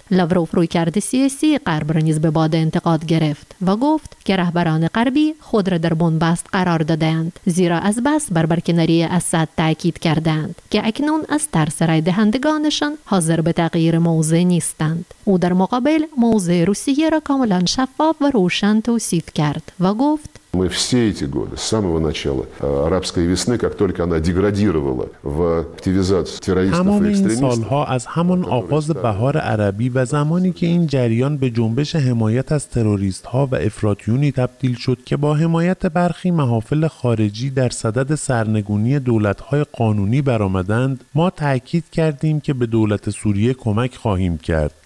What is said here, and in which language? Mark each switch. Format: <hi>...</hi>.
<fa>لاوروف روی کرد سیاسی غرب را نیز به باد انتقاد گرفت و گفت که رهبران غربی خود را در بنبست قرار دادند، زیرا از بس بر برکناری اسد تأکید کردند که اکنون از ترس رای دهندگانشان حاضر به تغییر موضع نیستند. او در مقابل موضع روسیه را کاملا شفاف و روشن توصیف کرد و گفت</fa> <ru>Мы все эти годы, с самого начала арабской весны, как только она деградировала в активизацию террористов и экстремистов.</ru> <fa>همان سال‌ها از همان آغاز بهار عربی و زمانی که این جریان به جنبش حمایت از تروریست‌ها و افراطیونی تبدیل شد که با حمایت برخی محافل خارجی در صدد سرنگونی دولت‌های قانونی برآمدند، ما تأکید کردیم که به دولت سوریه کمک خواهیم کرد.</fa>